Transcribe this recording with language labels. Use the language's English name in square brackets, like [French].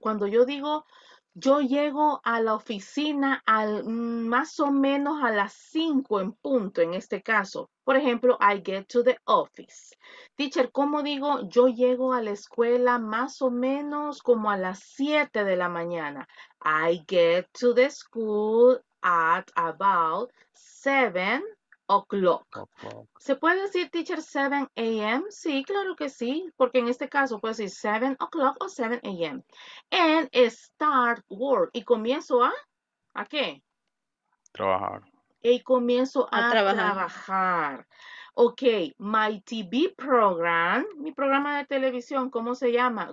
[Spanish] Cuando yo digo, yo llego a la oficina al más o menos a las 5 en punto, en este caso. Por ejemplo, [English] I get to the office. [Spanish] Teacher, ¿cómo digo yo llego a la escuela más o menos como a las 7 de la mañana? [English] I get to the school at about 7 o'clock. [Spanish] ¿Se puede decir, teacher, 7 a.m.? Sí, claro que sí, porque en este caso puede decir 7 o'clock o 7 a.m. [English] And start work. [Spanish] ¿Y comienzo a qué? Trabajar. Y comienzo a trabajar. Ok, [English] my TV program, [Spanish] mi programa de televisión, ¿cómo se llama?